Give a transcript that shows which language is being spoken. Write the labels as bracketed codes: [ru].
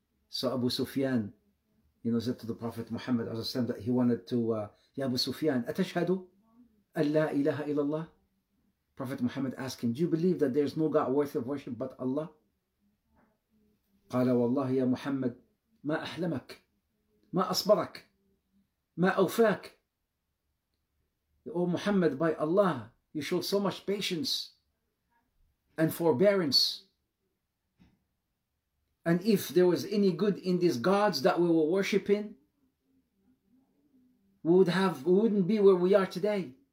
[en] So Abu Sufyan, you know, said to the Prophet Muhammad alayhi salam that he wanted to, [ar] Ya Abu Sufyan, atashhadu an la ilaha illallah? [en] Prophet Muhammad asked him, do you believe that there's no God worth of worship but Allah? [ar] قال والله يا محمد ما أحلمك ما أصبرك ما أوفاك. [en] Oh Muhammad, by Allah, you showed so much patience and forbearance. And if there was any good in these gods that we were worshipping, we wouldn't be where we are today.